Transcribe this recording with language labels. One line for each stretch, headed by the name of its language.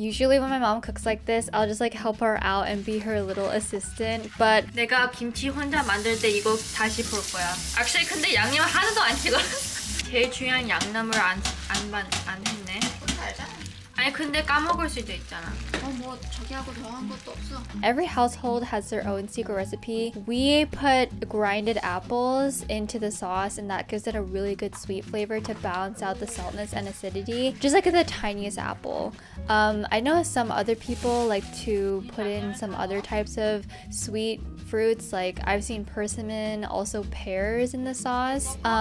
English: Usually when my mom cooks like this, I'll just like help her out and be her little assistant. But
Korean: 내가 김치 혼자 만들 때 이거 다시 볼 거야. Actually, 근데 양념 하나도 안 찍어. 제일 중요한 양념을 안 했네. 아니 근데 까먹을 수도 있잖아. 뭐 저기하고 더한 것도 없어.
English: Every household has their own secret recipe. We put grinded apples into the sauce and that gives it a really good sweet flavor to balance out the saltiness and acidity. Just like the tiniest apple. I know some other people like to put in some other types of sweet fruits, like I've seen persimmon, also pears in the sauce.